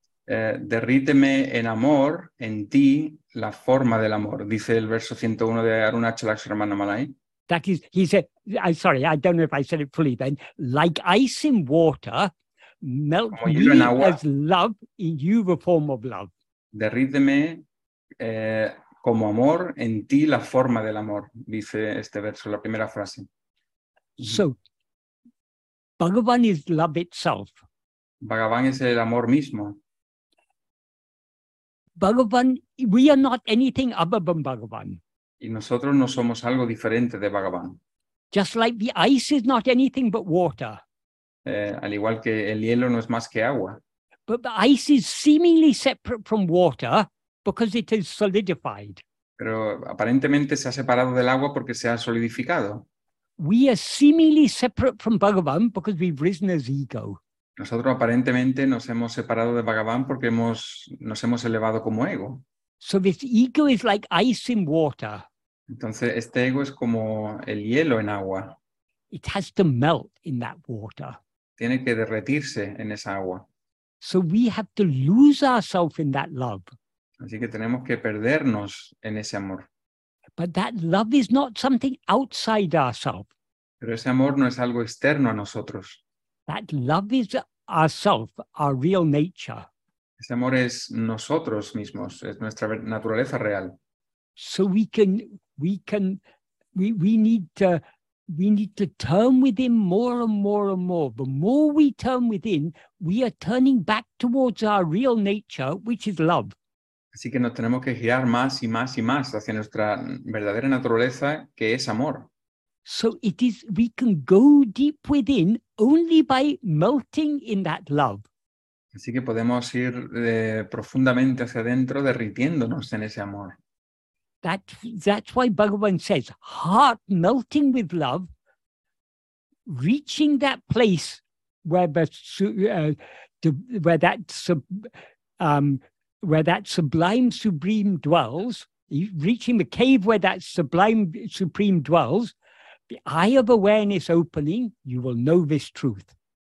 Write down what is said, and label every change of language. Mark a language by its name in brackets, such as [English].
[Spanish] Derríteme en amor, en ti, la forma del amor, dice el verso 101 de Arunachalakshramanamalai. [English] That is, he said, sorry, I don't know if I said it fully then, like ice in water, melt me as love in you, the form of love. [Spanish] Derríteme como amor, en ti la forma del amor, dice este verso, la primera frase. [English] So, Bhagavan is love itself. [Spanish] Bhagavan es el amor mismo. [English] Bhagavan, we are not anything other than Bhagavan. [Spanish] Y nosotros no somos algo diferente de Bhagavan. [English] Just like the ice is not anything but water. [Spanish] Al igual que el hielo no es más que agua. [English] But the ice is seemingly separate from water because it is solidified. [Spanish] Pero aparentemente se ha separado del agua porque se ha solidificado. [English] We are seemingly separate from Bhagavan because we've risen as ego. [Spanish] Nosotros aparentemente nos hemos separado de Bhagavan porque nos hemos elevado como ego. [English] So this ego is like ice in water. [Spanish] Entonces este ego es como el hielo en agua. [English] It has to melt in that water. [Spanish] Tiene que derretirse en esa agua. [English] So we have to lose ourselves in that love. [Spanish] Así que tenemos que perdernos en ese amor. [English] But that love is not something outside ourselves. [Spanish] Pero ese amor no es algo externo a nosotros. [English] That love is ourself, our real nature. [Spanish] Ese amor es nosotros mismos, es nuestra naturaleza real. [English] So we need to turn within more and more and more. The more we turn within, we are turning back towards our real nature, which is love. [Spanish] Así que nos tenemos que girar más y más y más hacia nuestra verdadera naturaleza, que es amor. [English] So it is, we can go deep within only by melting in that love. [Spanish] Así que podemos ir profundamente hacia adentro, derritiéndonos en ese amor. [English] That's why Bhagavan says, heart melting with love, reaching that place where that sublime supreme dwells, reaching the cave where that sublime supreme dwells, the eye of awareness opening, you will know this truth.